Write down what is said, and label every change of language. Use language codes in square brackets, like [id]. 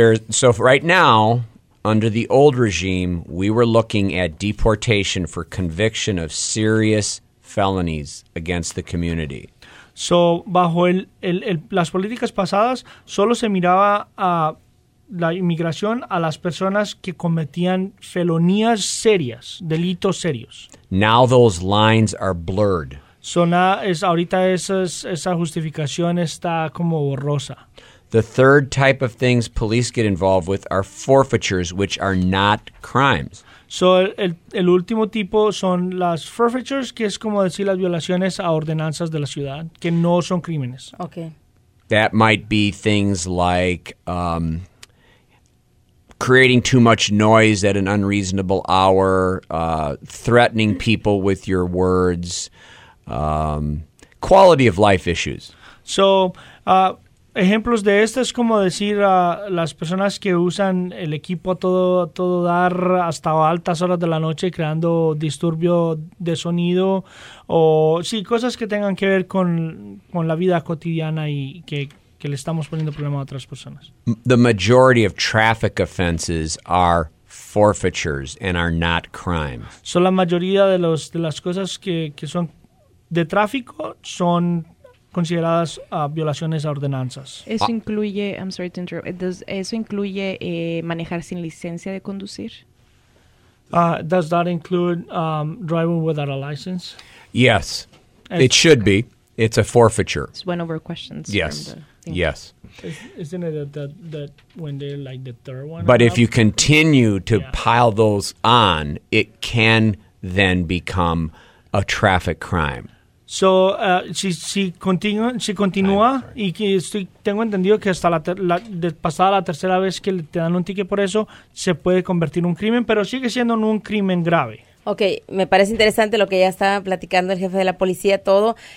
[en] So right now, under the old regime, we were looking at deportation for conviction of serious felonies against the community. [es] So bajo las políticas pasadas, solo se miraba a la inmigración a las personas que cometían felonías serias, delitos serios. [en] Now those lines are blurred. [es] Ahorita esa justificación está como borrosa. [en] The third type of things police get involved with are forfeitures, which are not crimes. [es] So el último tipo son las forfeitures, que es como decir las violaciones a ordenanzas de la ciudad, que no son crímenes. [en] Okay. That might be things like creating too much noise at an unreasonable hour, threatening people with your words, quality of life issues. [es] So, ejemplos de esto es como decir a las personas que usan el equipo todo dar hasta altas horas de la noche creando disturbio de sonido o sí, cosas que tengan que ver con la vida cotidiana y que le estamos poniendo problema a otras personas. [en] The majority of traffic offenses are forfeitures and are not crimes. [es] So la mayoría de las cosas que son de tráfico son consideradas violaciones a ordenanzas. Eso incluye, [en] I'm sorry to interrupt, [es] eso incluye manejar sin licencia de conducir? [en] Does that include driving without a license? Yes, it should be. It's a forfeiture. It's one of our questions. Yes. Yes. Isn't it that when they're like the third one? But if you continue to pile those on, it can then become a traffic crime. [es] So, si continúa y que tengo entendido que hasta pasada la tercera vez que te dan un ticket por eso, se puede convertir en un crimen, pero sigue siendo un crimen grave. Okay, me parece interesante lo que ya estaba platicando el jefe de la policía, todo.